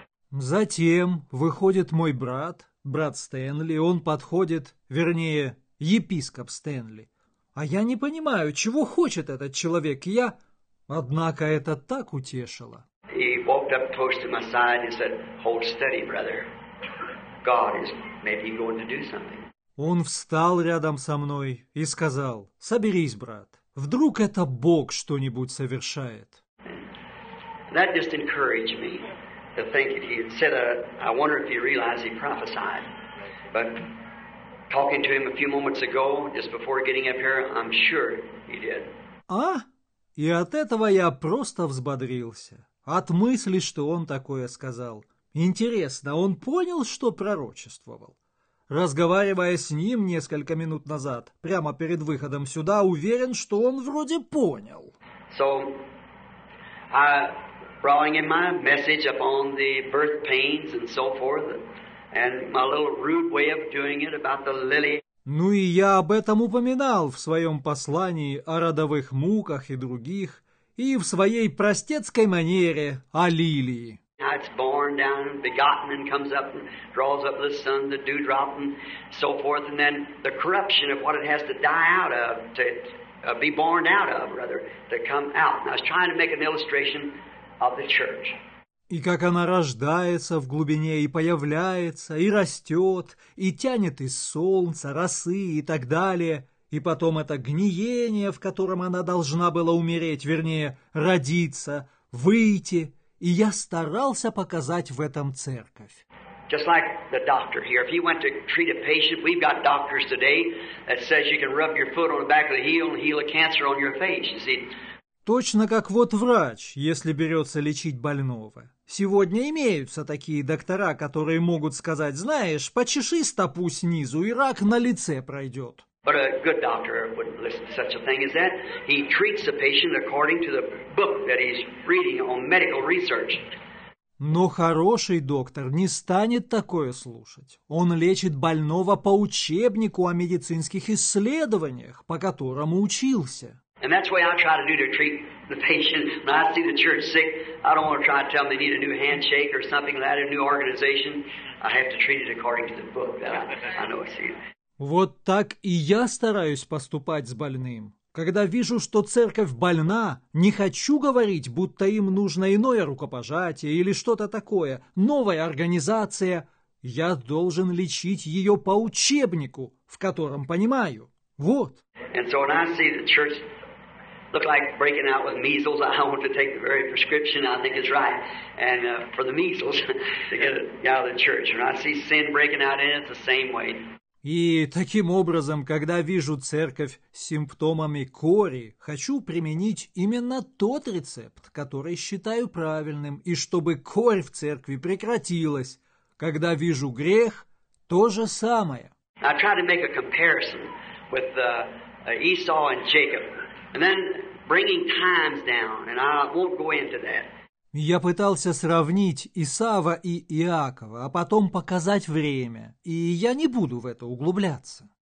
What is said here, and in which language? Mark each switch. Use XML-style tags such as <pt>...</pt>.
<ru>Затем выходит мой брат, брат Стэнли, он подходит, вернее, епископ Стэнли. А я не понимаю, чего хочет этот человек, я, однако, это так утешило.</ru> <en>He walked up close to my side and said, hold steady, brother. God is maybe going to do something.</en> <ru>Он встал рядом со мной и сказал: «Соберись, брат, Вдруг это Бог что-нибудь совершает.</ru> <en>That just encouraged me to think that he had said, I wonder if he realized he prophesied. But talking to him a few moments ago, just before getting up here, I'm sure he did.</en> <ru>А? И от этого я просто взбодрился. От мысли, что он такое сказал. Интересно, он понял, что пророчествовал? Разговаривая с ним несколько минут назад, прямо перед выходом сюда, уверен, что он вроде понял.</ru> <en>So, I brought in my message upon the birth pains and so forth, and my little rude way of doing it about the lily.</en> <ru>Ну и я об этом упоминал в своем послании о родовых муках и других, и в своей простецкой манере о лилии.</ru> <en>It's born down and begotten and comes up and draws up the sun, the dewdrop and so forth, and then the corruption of what it has to die out of, to be born out of, rather, to come out. And I was trying to make an illustration of the church.</en> <ru>И как она рождается в глубине, и появляется, и растет, и тянет из солнца, росы и так далее, и потом это гниение, в котором она должна была умереть, вернее, родиться, выйти, и я старался показать в этом церковь.</ru> <en>Just like the doctor here, if he went to treat a patient, we've got doctors today that says you can rub your foot on the back of the heel and heal a cancer on your face, you see.</en> <ru>Точно как вот врач, если берется лечить больного. Сегодня имеются такие доктора, которые могут сказать, знаешь, почеши стопу снизу, и рак на лице пройдет.</ru> <en>But a good doctor wouldn't listen to such a thing as that. He treats the patient according to the book that he's reading on medical research.</en> <ru>Но хороший доктор не станет такое слушать. Он лечит больного по учебнику о медицинских исследованиях, по которому учился.</ru> <en>And that's what I try to do to treat the patient. When I see the church sick, I don't want to try to tell them they need a new handshake or something like that, a new organization. I have to treat it according to the book that I know it's in.</en> <ru>Вот так и я стараюсь поступать с больным. Когда вижу, что церковь больна, не хочу говорить, будто им нужно иное рукопожатие или что-то такое, новая организация. Я должен лечить ее по учебнику, в котором понимаю. Вот.</ru> <en>And so when I see the church look like breaking out with measles, I want to take the very prescription I think is right, and for the measles to get it out of the church. When I see sin breaking out in it, the same way.</en> <ru>И таким образом, когда вижу церковь с симптомами кори, хочу применить именно тот рецепт, который считаю правильным, и чтобы корь в церкви прекратилась. Когда вижу грех, то же самое.</ru> <en>I try to make a comparison with Esau and Jacob, and then bringing times down, and I won't go into that.</en> <ru>Я пытался сравнить Исава и Иакова, а потом показать время, и я не буду в это углубляться.</ru>